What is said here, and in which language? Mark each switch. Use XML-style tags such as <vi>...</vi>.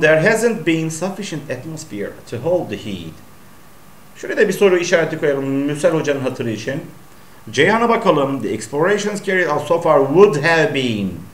<en>There hasn't been sufficient atmosphere to hold the heat.</en> <tr>Şöyle de bir soru işareti koyalım Müsel Hoca'nın hatırı için. Ceyhan'a bakalım.</tr> <en>The explorations carried out so far would have been.</en>